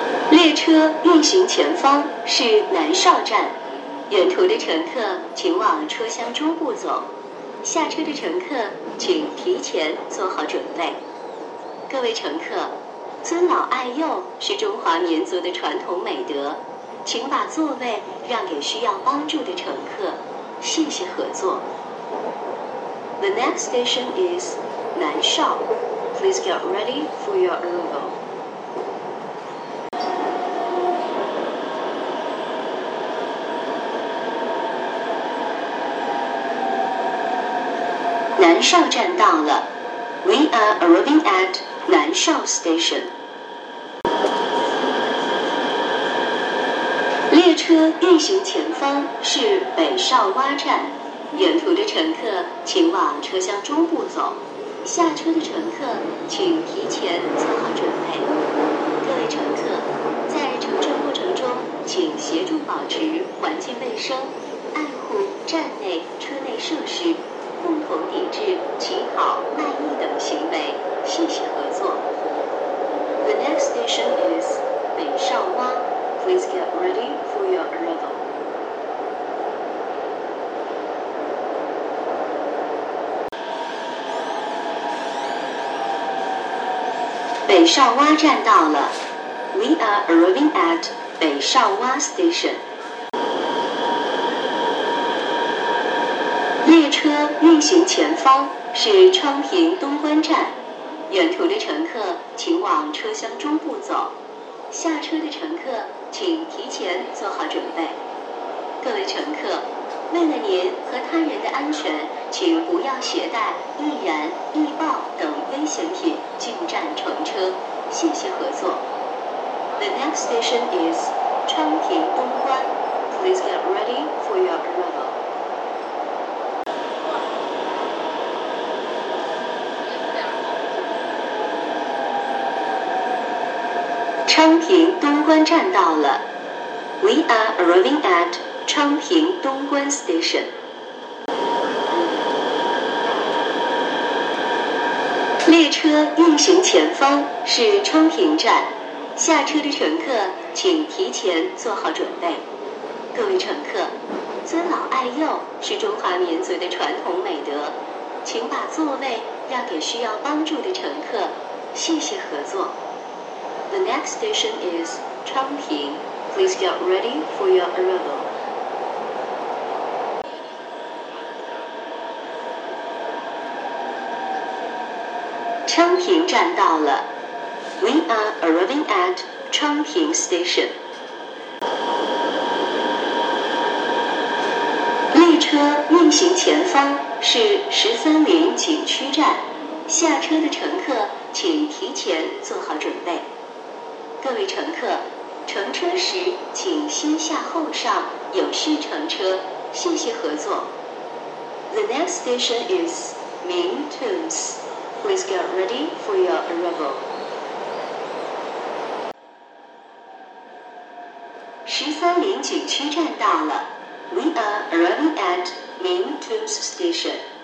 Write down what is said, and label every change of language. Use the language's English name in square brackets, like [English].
[Chinese] 列车运行前方是南邵站，沿途的乘客请往车厢中部走，下车的乘客请提前做好准备。各位乘客，尊老爱幼是中华民族的传统美德，请把座位让给需要帮助的乘客，谢谢合作。 [English] The next station is 南邵， Please get ready for your arrival。 [Chinese] 南邵站到了， [English] We are arriving at 南邵 station。 [Chinese] 列车运行前方是北邵洼站，沿途的乘客请往车厢中部走，下车的乘客请提前做好准备。各位乘客，在乘车过程中请协助保持环境卫生，爱护站内车内设施，共同抵制乞讨、卖艺等行为，谢谢合作。 [English] The next station is 北邵洼， Please get ready for your arrival。 [Chinese] 北邵洼站到了， [English] We are arriving at 北邵洼 station。 [Chinese] 列车运行前方是昌平东关站，沿途的乘客请往车厢中部走，下车的乘客请提前做好准备。各位乘客，为了您和他人的安全，请不要携带易燃、易爆等危险品进站乘车，谢谢合作。 [English] The next station is 昌平东关， Please get ready for your arrival。 [Chinese] 昌平东关站到了， [English] We are arriving at 昌平东关 station。 [Chinese] 列车运行前方是昌平站，下车的乘客请提前做好准备。各位乘客，尊老爱幼是中华民族的传统美德，请把座位让给需要帮助的乘客，谢谢合作。 [English] The next station is 昌平， Please get ready for your arrival。 [Chinese] 昌平站到了， [English] We are arriving at 昌平 station。 [Chinese] 列车运行前方是十三陵景区站，下车的乘客请提前做好准备。各位乘客，乘车时请先下后上，有序乘车，谢谢合作。 [English] The next station is Ming Tombs, Please get ready for your arrival。 [Chinese] 十三陵景区站到了， [English] We are arriving at Ming Tombs station。